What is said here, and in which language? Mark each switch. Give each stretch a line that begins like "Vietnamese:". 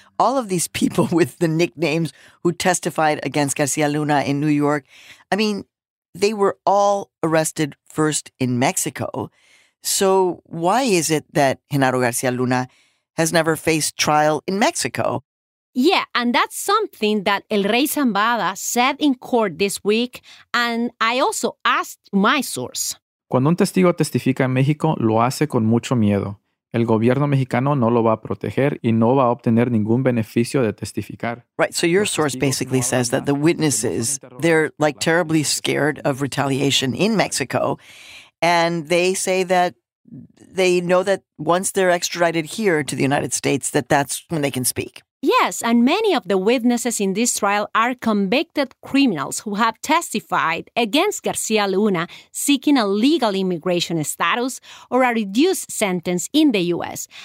English: All of these people with the nicknames who testified against Garcia Luna in New York, I mean, they were all arrested first in Mexico. So why is it that Genaro Garcia Luna has never faced trial in Mexico? Yeah, and that's something that El Rey Zambada said in court this week, and I also asked my source.
Spanish: Cuando un testigo testifica en México, lo hace con mucho miedo. El gobierno mexicano no lo va a proteger y no va a obtener ningún beneficio de testificar.
English: Right, so your source basically says that the witnesses, they're like terribly scared of retaliation in Mexico, and they say that they know that once they're extradited here to the United States, that that's when they can speak. Yes, and many of the witnesses in this trial are convicted criminals who have testified against García Luna seeking a legal immigration status or a reduced sentence in the U.S.